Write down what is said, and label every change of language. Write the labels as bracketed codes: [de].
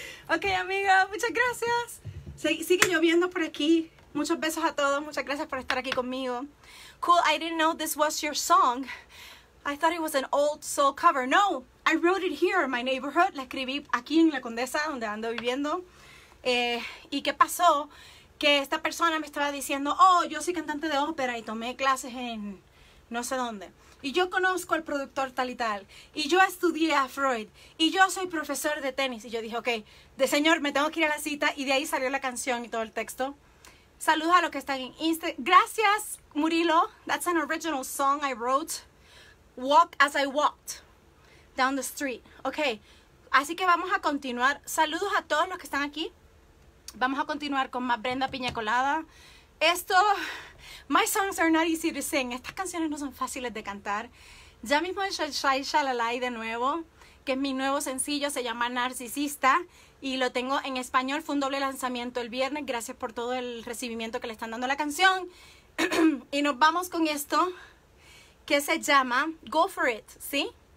[es] Okay, amigo, muchas gracias. Sigue lloviendo por aquí. Muchos besos a todos. Muchas gracias por estar aquí conmigo. [en] Cool, I didn't know this was your song. I thought it was an old soul cover. No, I wrote it here in my neighborhood. [es] La escribí aquí en La Condesa, donde ando viviendo. ¿Y qué pasó? Que esta persona me estaba diciendo, oh, yo soy cantante de ópera y tomé clases en no sé dónde. Y yo conozco al productor tal y tal. Y yo estudié a Freud. Y yo soy profesor de tenis. Y yo dije, ok, de señor, me tengo que ir a la cita. Y de ahí salió la canción y todo el texto. Saludos a los que están en Instagram. Gracias, Murilo. [en] That's an original song I wrote. Walk as I walked down the street. [es] Ok, así que vamos a continuar. Saludos a todos los que están aquí. Vamos a continuar con más Brenda Piña Colada. Esto, [en] my songs are not easy to sing. [es] Estas canciones no son fáciles de cantar. Ya mismo es Shai Shalalai de nuevo, que es mi nuevo sencillo, se llama Narcisista. Y lo tengo en español, fue un doble lanzamiento el viernes. Gracias por todo el recibimiento que le están dando a la canción. Y nos vamos con esto, que se llama Go For It, ¿sí?